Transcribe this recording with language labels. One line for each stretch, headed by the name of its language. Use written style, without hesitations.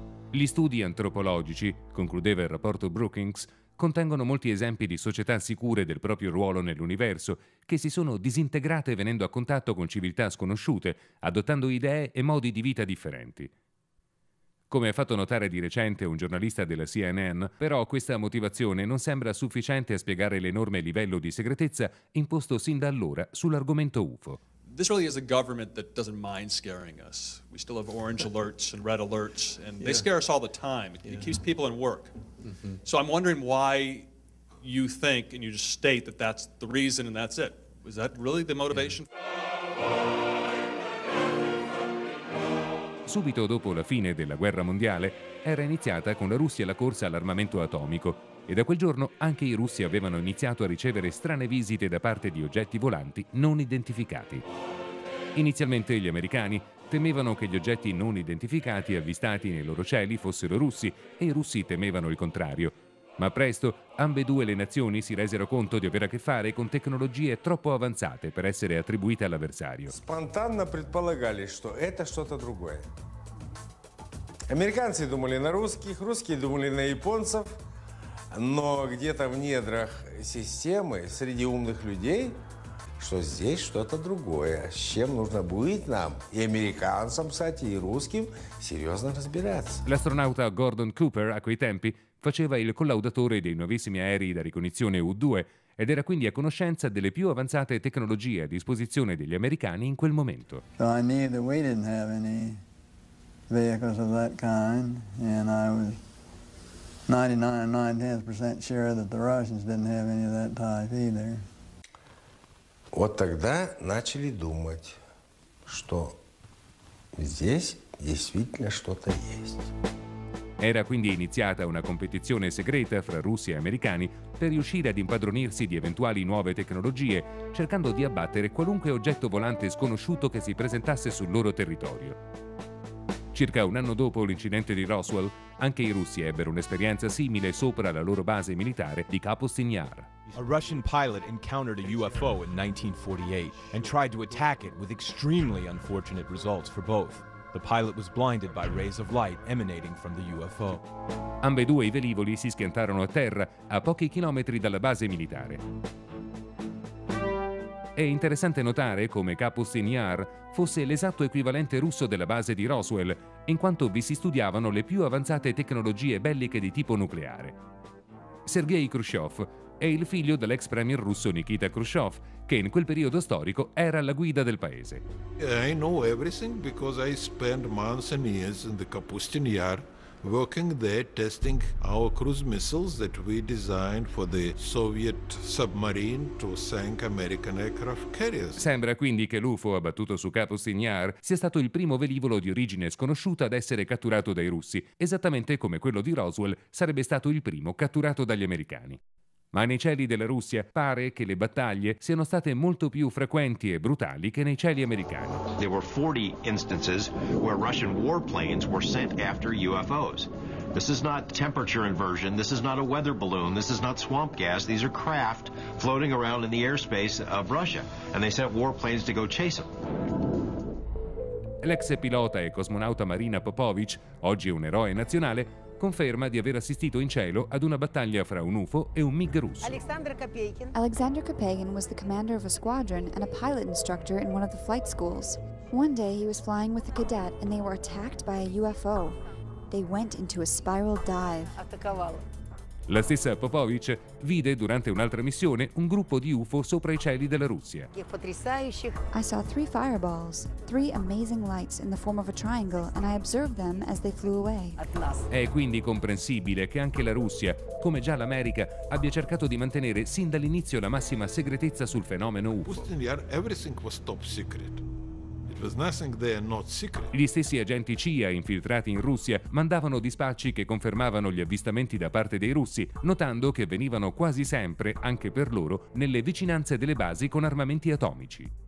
Italian: Gli studi antropologici, concludeva il rapporto Brookings, contengono molti esempi di società sicure del proprio ruolo nell'universo, che si sono disintegrate venendo a contatto con civiltà sconosciute, adottando idee e modi di vita differenti. Come ha fatto notare di recente un giornalista della CNN, però questa motivazione non sembra sufficiente a spiegare l'enorme livello di segretezza imposto sin da allora sull'argomento UFO.
English: This really is a government that doesn't mind scaring us. We still have orange alerts and red alerts, and they scare us all the time. It keeps people in work. So I'm wondering why you think, and you just state that that's the reason and that's it. Is that really the motivation?
Italian: Subito dopo la fine della guerra mondiale, era iniziata con la Russia la corsa all'armamento atomico, e da quel giorno anche i russi avevano iniziato a ricevere strane visite da parte di oggetti volanti non identificati. Inizialmente gli americani temevano che gli oggetti non identificati avvistati nei loro cieli fossero russi, e i russi temevano il contrario. Ma presto ambedue le nazioni si resero conto di avere a che fare con tecnologie troppo avanzate per essere attribuite all'avversario. Spontaneamente
Russian: предполагали, что это что-то другое. Американцы думали на русских, русские думали на японцев, но где-то в недрах системы, среди умных людей, что здесь что-то другое, с чем нужно будет нам, и американцам, кстати, и русским, серьезно разбираться.
Italian: L'astronauta Gordon Cooper a quei tempi faceva il collaudatore dei nuovissimi aerei da ricognizione U-2 ed era quindi a conoscenza delle più avanzate tecnologie a disposizione degli americani in quel momento.
English: I knew that we didn't have any vehicles of that kind, and I was 99.9% sure that the Russians didn't have any of that type either.
Russian: Вот тогда начали думать, что здесь действительно что-то есть.
Italian: Era quindi iniziata una competizione segreta fra russi e americani per riuscire ad impadronirsi di eventuali nuove tecnologie, cercando di abbattere qualunque oggetto volante sconosciuto che si presentasse sul loro territorio. Circa un anno dopo l'incidente di Roswell, anche i russi ebbero un'esperienza simile sopra la loro base militare di Kapustin-Yar.
English: A Russian pilot encountered a UFO in 1948 and tried to attack it with extremely unfortunate results for both. The pilot was blinded by rays of light emanating from the UFO.
Italian: Ambedue i velivoli si schiantarono a terra a pochi chilometri dalla base militare. È interessante notare come Kapustin-Yar fosse l'esatto equivalente russo della base di Roswell, in quanto vi si studiavano le più avanzate tecnologie belliche di tipo nucleare. Sergei Khrushchev è il figlio dell'ex premier russo Nikita Khrushchev, che in quel periodo storico era alla guida del paese.
English: I know everything because I spent months and years in the Kapustin-Yar, working there testing our cruise missiles that we designed for the Soviet submarine to sink American aircraft carriers.
Italian: Sembra quindi che l'UFO abbattuto su Kapustin-Yar sia stato il primo velivolo di origine sconosciuta ad essere catturato dai russi, esattamente come quello di Roswell sarebbe stato il primo catturato dagli americani. Ma nei cieli della Russia pare che le battaglie siano state molto più frequenti e brutali che nei cieli americani.
English: There were 40 instances where Russian warplanes were sent after UFOs. This is not temperature inversion, this is not a weather balloon, this is not swamp gas, these are craft floating around in the airspace of Russia, and they sent warplanes to go chase them.
Italian: L'ex pilota e cosmonauta Marina Popovic, oggi un eroe nazionale, conferma di aver assistito in cielo ad una battaglia fra un UFO e un MiG russo.
English: Alexander Kopeikin was the commander of a squadron and a pilot instructor in one of the flight schools. One day he was flying with a cadet and they were attacked by a UFO. They went into a spiral dive.
Italian: La stessa Popovic vide durante un'altra missione un gruppo di UFO sopra i cieli della Russia.
English: I saw three fireballs, three amazing lights in the form of a triangle, and I observed them as they flew away.
Italian: È quindi comprensibile che anche la Russia, come già l'America, abbia cercato di mantenere sin dall'inizio la massima segretezza sul fenomeno UFO.
English: Everything was top secret. There's nothing there not secret.
Italian: Gli stessi agenti CIA infiltrati in Russia mandavano dispacci che confermavano gli avvistamenti da parte dei russi, notando che venivano quasi sempre, anche per loro, nelle vicinanze delle basi con armamenti atomici.